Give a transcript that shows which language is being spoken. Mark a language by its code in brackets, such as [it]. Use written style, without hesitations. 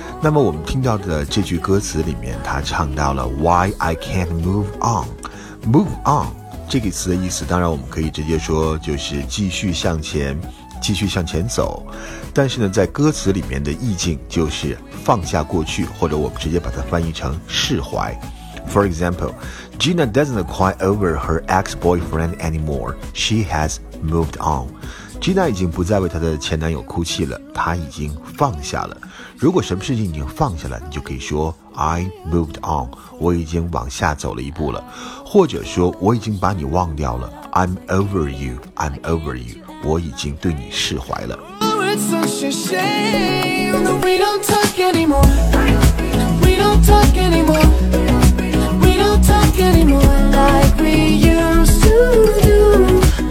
[zh] 那么我们听到的这句歌词里面，他唱到了 [en] Why I can't move on。 [zh] Move on 这个词的意思，当然我们可以直接说就是继续向前，继续向前走，但是呢在歌词里面的意境就是放下过去，或者我们直接把它翻译成释怀。 [en] For example, Gina doesn't cry over her ex-boyfriend anymore. She has moved on. [zh] Gina 已经不再为她的前男友哭泣了，她已经放下了。如果什么事情已经放下了，你就可以说 [en] I moved on, [zh] 我已经往下走了一步了，或者说我已经把你忘掉了， [en] I'm over you, I'm over you, [zh] 我已经对你释怀了。 [en] It's such a shame that we don't talk anymore. We don't talk anymore. We don't talk anymore like we used to do.